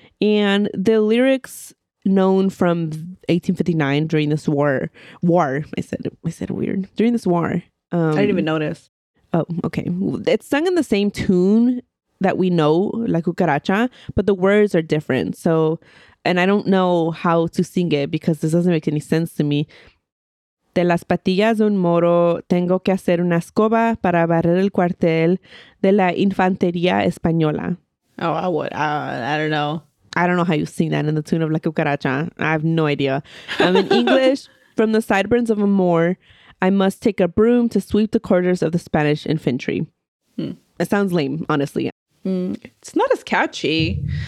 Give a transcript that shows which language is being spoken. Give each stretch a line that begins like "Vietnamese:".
English: And the lyrics known from 1859 during this war, I said weird, during this war. I didn't even notice. Oh, okay. It's sung in the same tune that we know, La Cucaracha, but the words are different. So, and I don't know how to sing it because this doesn't make any sense to me.
Spanish: De las patillas de un moro, tengo que hacer una escoba para barrer el cuartel de la infantería española.
English: Oh, I don't know. I don't know how you sing that in the tune of La Cucaracha. I have no idea. In English, from the sideburns of a moor, I must take a broom to sweep the quarters of the Spanish infantry. Hmm. It sounds lame, honestly. It's not as catchy.